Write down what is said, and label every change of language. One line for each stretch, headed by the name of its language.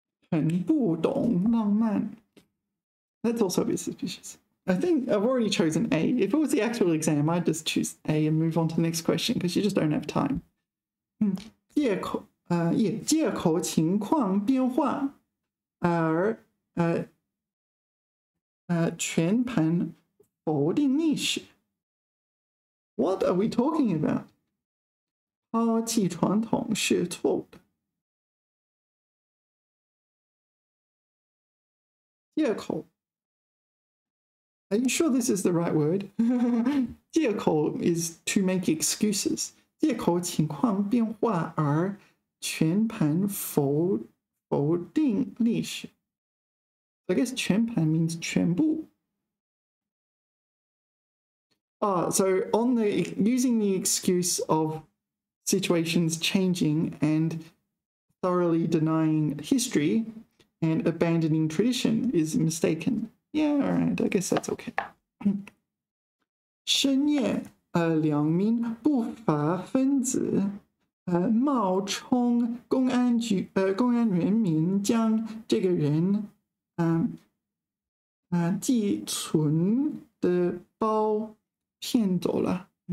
Chinese: 很不懂浪漫。
English: That's also a bit suspicious. I think I've already chosen A. If it was the actual exam, I'd just choose A and move on to the next question because you just don't have time.
Chinese: 第二口也借口情况变化而全盘否定历史。
English: What are we talking about?
Chinese: 抛弃传统是错误的。借口。
English: Are you sure this is the right word? 借口 is to make excuses.
Chinese: 借口情况变化而全盘否定历史。
English: I guess
Chinese: 全盘 means 全部。
English: Ah, so on the, using the excuse of situations changing and thoroughly denying history and abandoning tradition is mistaken. Yeah, all right, I guess that's okay.
Chinese: 深夜，两名不法分子，冒充公安局，公安人民将这个人，寄存的包骗走了。